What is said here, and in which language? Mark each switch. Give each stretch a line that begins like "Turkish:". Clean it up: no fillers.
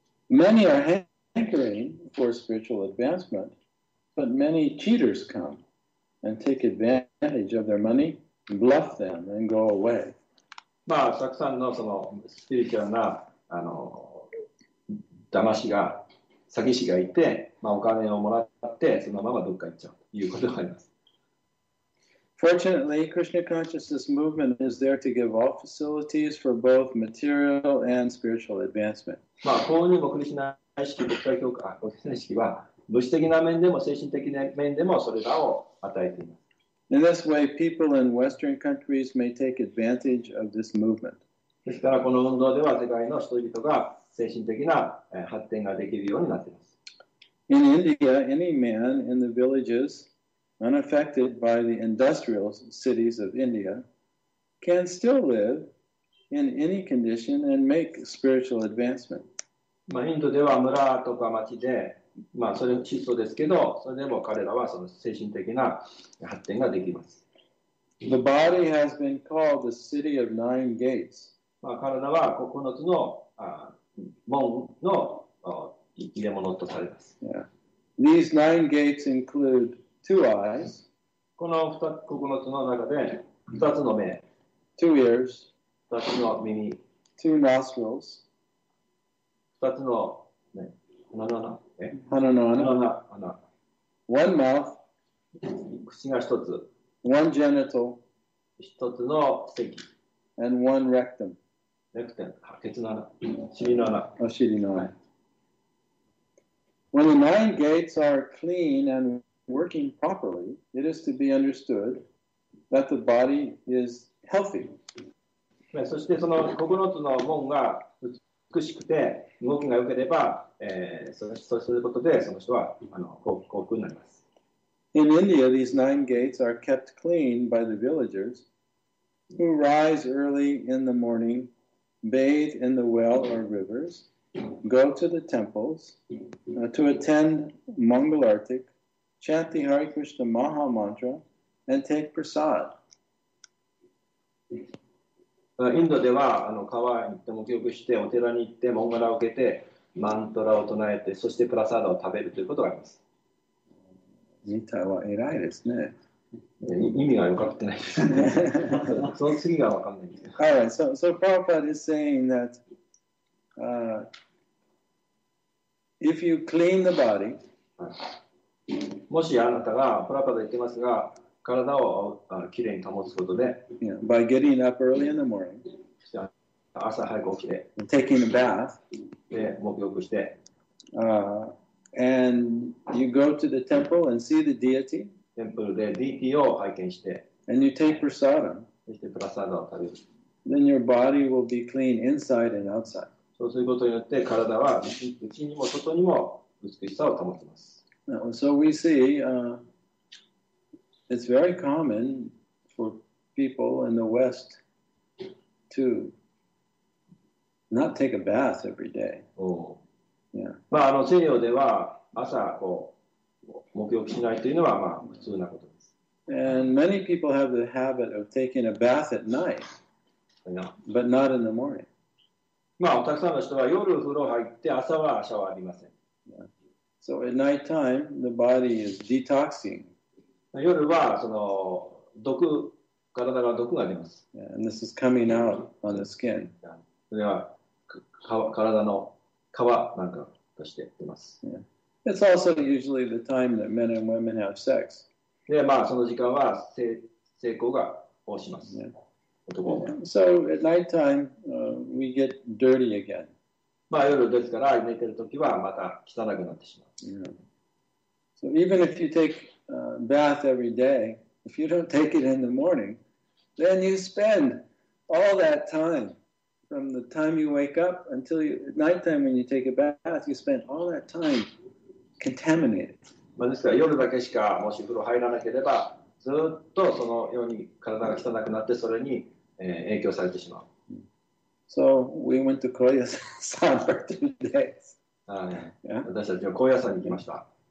English: Many are hankering for spiritual advancement, but many cheaters come and take advantage of their money, bluff them, and go away.
Japanese: まあ、たくさんのそのスピリチュアルな騙しが、詐欺師がいて、まあ、お金をもらって、そのままどっか行っちゃうということがあります。
English: Fortunately, Krishna Consciousness Movement is there to give all facilities for both material and spiritual advancement.
Japanese: まあ、幸運にもクリシュナ意識、仏教教会、仏教意識は物質的な面でも精神的な面でもそれらを与えています。
English: In this way, people in Western countries may take advantage of this movement.
Japanese: ですからこの運動では世界の人々が精神的な発展ができるようになっています。
English: In India, any man in the villages unaffected by the industrial cities of India can still live in any condition and make spiritual advancement.
Japanese: まあ、インドでは村とか町で、まあ、それも質素ですけど、それでも彼らはその精神的な発展ができます。
English: The body has been called the city of nine gates.
Japanese: まあ、体は九つの門の生き物とされます。
English: Yeah. These nine gates include two eyes.
Japanese: この九つの中で二つの目。
English: Two ears.
Japanese: 二つの耳。
English: Two nostrils.
Japanese: 二つの、ね、鼻の穴。
English: One mouth.
Japanese: 口が一つ。
English: One genital.
Japanese: 一つの席。
English: And one rectum.
Japanese: 血の穴。
English: When the nine gates are clean and working properly, it is to be understood that the body is healthy.
Japanese: そしてその九つの門が美しくて動きが良ければ、そうすることでその人は幸福になります。
English: In India, these nine gates are kept clean by the villagers who rise early in the morning. Bathe in the well or rivers, go to the temples, to attend Mangal Arti, chant the Hare Krishna Maha Mantra, and take prasad.
Japanese: インドでは川に行っても清くして、お寺に行って、モンガラを受けて、マントラを唱えて、そしてプラサードを食べるということがあります。インドは偉いですね。意味がよかってないですね。その次が分かんないです。
English: はい、so Prabhupada is saying that if you clean the body,
Japanese: もしあなたが、プラパダ言ってますが、体をきれいに保つことで、
English: yeah, by getting up early in the morning,
Japanese: 朝早く起きて、
English: taking a bath,
Japanese: で、沐浴して、
English: and you go to the temple and see the deity,
Japanese: テンプルで DT を拝見して、
English: and you take prasada,
Japanese: そしてプラサダを食べる。
English: Then your body will be clean inside and outside.
Japanese: そうすることによって体は内にも外にも美しさを保ちます。
English: So we see, it's very common for people in the West to not take a bath every day. Yeah.
Japanese: まあ、西洋では朝こう沐浴しないというのはまあ普通なことです。
English: And many people have the habit of taking a bath at night, but not in the morning.
Japanese: まあたくさんの人は夜風呂入って朝はシャワー浴びません。
English: So at night time, the body is detoxing.
Japanese: 夜はその毒、体が毒が出ます。
English: And this is coming out on the skin.
Japanese: それは体の皮なんかとして出ます。
English: It's also usually the time that men and women have sex.
Japanese: で、まあ、その時間は性交が起こします。 Yeah. 男は。
English: So at night time, we get dirty again.
Japanese: まあ、夜ですから、寝てるときはまた汚くなってしまう。
English: Yeah. So even if you take a bath every day, if you don't take it in the morning, then you spend all that time from the time you wake up until you, at night time when you take a bath, you spend all that time. Contaminated.
Japanese: まあですから夜だけしかもし風呂入らなければずっとそのように体が汚くなってそれに影響されてしまう。
English: So we went to Koya San for 2 days.
Japanese: はい。私たちは高野山に行きました。